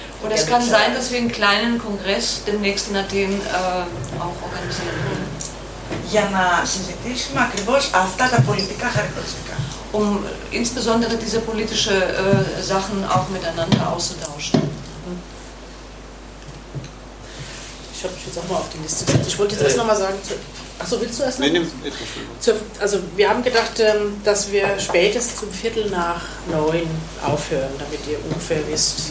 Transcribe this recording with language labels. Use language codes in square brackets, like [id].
[de] Und es kann sein, dass wir einen kleinen Kongress demnächst in Athen auch organisieren können. [el] Για να συζητήσουμε ακριβώς αυτά τα πολιτικά χαρακτηριστικά. [de] Um insbesondere diese politischen Sachen auch miteinander auszutauschen. ich habe mich jetzt auch mal auf die Liste gesetzt. Ich wollte jetzt erst nochmal sagen, achso, willst du erst noch? Nee, also wir haben gedacht, dass wir spätestens um 8:45 aufhören, damit ihr ungefähr wisst.